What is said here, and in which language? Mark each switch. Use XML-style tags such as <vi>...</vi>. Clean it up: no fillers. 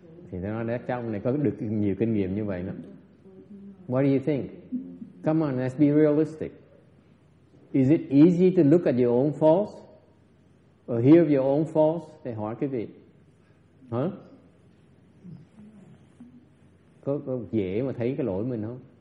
<vi>Thì nó nói đấy, trong này có được nhiều kinh nghiệm như vậy đó.</vi> <en>What do you think? Come on, let's be realistic. Is it easy to look at your own faults or hear your own faults?</en> <vi>Thầy hỏi cái gì? Hả? Có dễ mà thấy cái lỗi mình không?</vi>